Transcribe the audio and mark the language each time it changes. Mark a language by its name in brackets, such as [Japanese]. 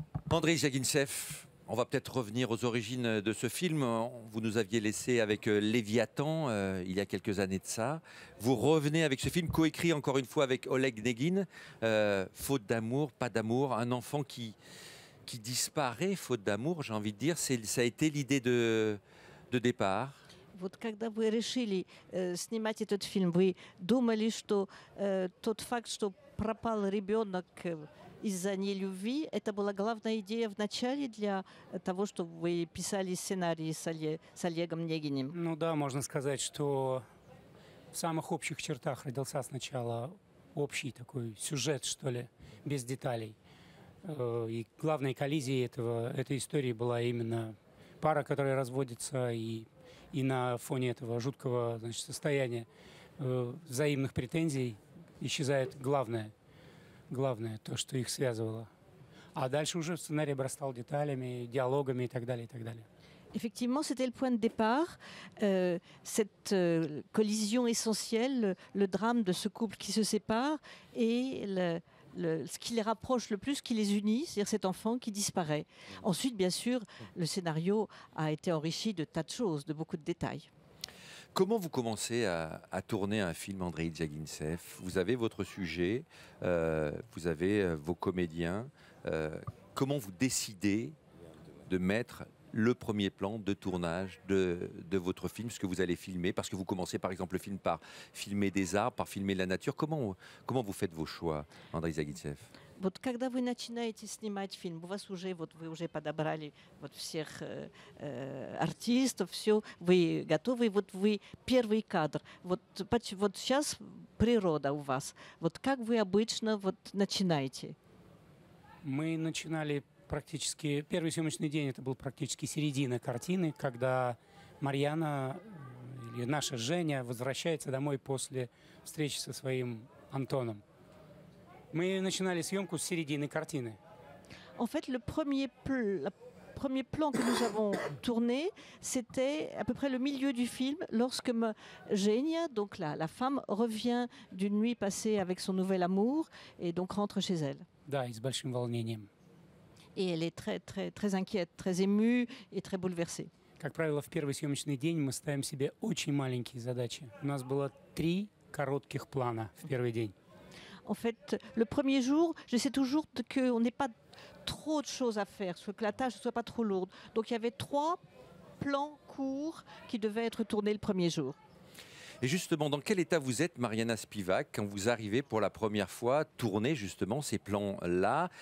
[French] Andriy Zviagintsev, on va peut-être revenir aux origines de ce film. Vous nous aviez laissé avec Léviathan il y a quelques années de ça. Vous revenez avec ce film, coécrit encore une fois avec Oleg Neguin. Faute d'amour, pas d'amour, un enfant qui disparaît, faute d'amour, j'ai envie de dire. Ça a été l'idée de départ. [Russian] Вот когда вы решили снимать этот фильм, вы думали, что тот факт, что пропал ребенок из-за нелюбви, это была главная идея в начале для того, что вы писали сценарий с Олегом Негиным? Ну да, можно сказать, что в самых общих чертах родился сначала общий такой сюжет, что ли, без деталей. И главной коллизией этой истории была именно пара, которая разводится, и на фоне этого жуткого, значит, состояния взаимных претензий исчезает главное, то, что их связывало. А дальше уже сценарий обрастал деталями, диалогами и так далее, и так далее. [French] Effectivement, c'était le point de départ, cette collision essentielle, le drame de ce couple qui se sépare et ce qui les rapproche le plus, qui les unit, c'est-à-dire cet enfant qui disparaît. Ensuite, bien sûr, le scénario a été enrichi de tas de choses, de beaucoup de détails. Comment vous commencez à tourner un film, Andriy Zviagintsev? Vous avez votre sujet, vous avez vos comédiens. Comment vous décidez de mettre le premier plan de tournage de votre film, ce que vous allez filmer? Parce que vous commencez par exemple le film par filmer des arbres, par filmer la nature. Comment vous faites vos choix, Andriy Zviagintsev? [Russian] Вот когда вы начинаете снимать фильм, у вас уже, вот вы уже подобрали вот всех артистов, все, вы готовы, вот вы первый кадр. Вот сейчас природа у вас. Вот как вы обычно вот начинаете? Мы начинали практически, первый съемочный день, это был практически середина картины, когда Марьяна или наша Женя возвращается домой после встречи со своим Антоном. Мы начинали съемку с середины картины. [French] En fait, le premier plan que nous avons tourné, c'était à peu près le milieu du film, lorsque Женя, donc la femme, revient d'une nuit passée avec son nouvel amour et donc rentre chez elle. [Russian] Да, и с большим волнением. [French] Et elle est très très très inquiète, très émue et très bouleversée. [Russian] Как правило, в первый съемочный день мы ставим себе очень маленькие задачи. У нас было три коротких плана в первый день. [French] En fait, le premier jour, je sais toujours qu'on n'ait pas trop de choses à faire, que la tâche ne soit pas trop lourde. Donc il y avait trois plans courts qui devaient être tournés le premier jour. Et justement, dans quel état vous êtes, Mariana Spivak, quand vous arrivez pour la première fois tourner justement ces plans-là?